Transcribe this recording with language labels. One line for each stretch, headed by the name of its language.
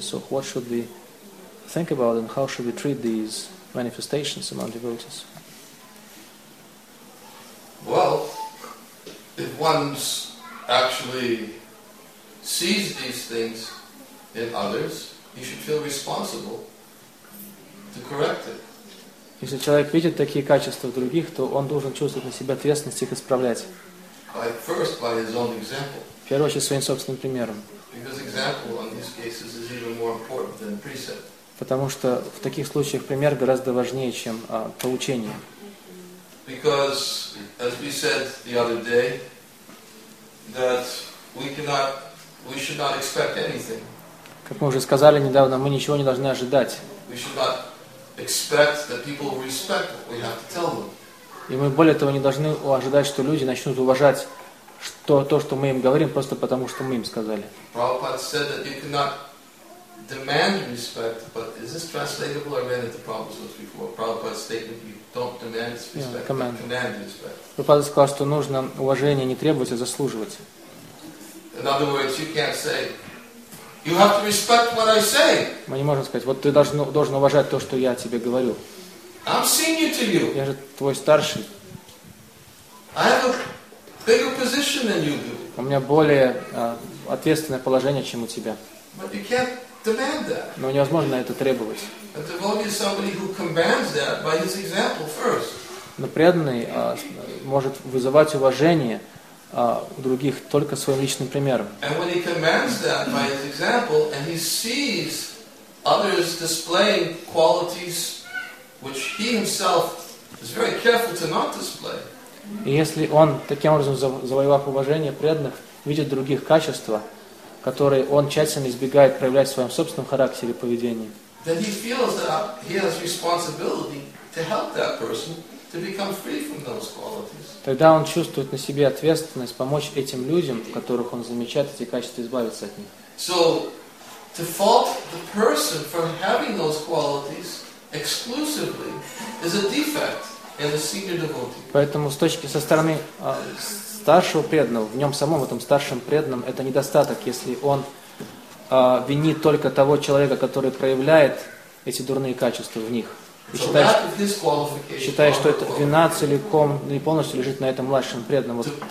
English: So what should we think about and how should we treat these manifestations among devotees? Well, if one's actually sees these things in others, you should feel responsible to correct it.
Russian: Если человек видит такие качества в других, то он должен чувствовать на себя ответственность их исправлять.
English: First, by his own example.
Russian: В первую очередь, своим собственным примером.
English: Because example in these cases is even more important than precept.
Russian: Потому что в таких случаях пример гораздо важнее, чем поучение.
English: Because, as we said the other day, that we should not expect anything.
Russian: Как мы уже сказали недавно, мы ничего не должны ожидать.
English: We should not expect that people will respect what we have to tell them.
Russian: И мы более того не должны ожидать, что люди начнут уважать то, что мы им говорим, просто потому, что мы им сказали.
English: Prabhupada said that you cannot demand respect, but is this translatable? I read it the problems was before. Prabhupada's statement: you don't demand respect, but command respect.
Russian: Prabhupada сказал, что нужно уважение не требовать, а заслуживать.
English: In other words, you can't say. You have to respect what I say.
Russian: Мы не можем сказать, вот ты должен уважать то, что я тебе говорю.
English: I'm senior to you.
Russian: Я же твой старший.
English: I have a bigger position than you do.
Russian: У меня более ответственное положение, чем у тебя.
English: But you can't demand that.
Russian: Но невозможно это требовать.
English: A devotee is somebody who commands that by his example first.
Russian: Но преданный может вызывать уважение у других только своим личным примером.
English: And when he commands that by his example, and he sees others displaying qualities which he himself is very careful to not display.
Russian: И если он таким образом завоевав уважение преданных, видит других качества, которые он тщательно избегает проявлять в своем собственном характере и поведении.
English: Then he feels that he has responsibility to help that person to become free from those qualities.
Russian: Тогда он чувствует на себе ответственность помочь этим людям, которых он замечает эти качества, избавиться от них.
English: So, to fault the person for having those qualities exclusively is a defect in the senior devotee.
Russian: Поэтому с точки со стороны старшего преданного, в нем самом, в этом старшем преданном, это недостаток, если он винит только того человека, который проявляет эти дурные качества в них. И считая, что это вина целиком и полностью лежит на этом младшем преданном.